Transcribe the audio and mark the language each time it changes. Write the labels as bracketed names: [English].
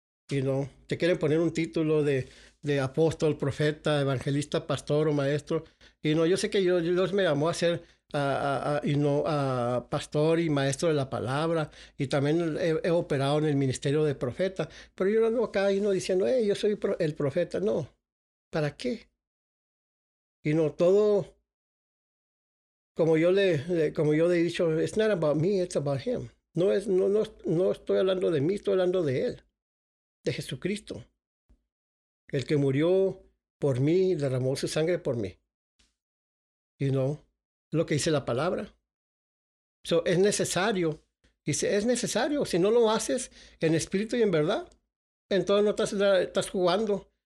[Spanish] Y no, te quieren poner un título de apóstol, profeta, evangelista, pastor o maestro. Y no, yo sé que Dios me llamó a ser pastor y maestro de la palabra. Y también he operado en el ministerio de profeta. Pero yo no ando acá y no diciendo, hey, yo soy el profeta. No, ¿para qué? Y no, todo, como yo le he dicho, [English] it's not about me, it's about him. [Spanish] No estoy hablando de mí, estoy hablando de él. De Jesucristo, el que murió por mí y derramó su sangre por mí. Y no, lo que dice la palabra. So, es necesario. Dice, es necesario. Si no lo haces en espíritu y en verdad, entonces no estás jugando.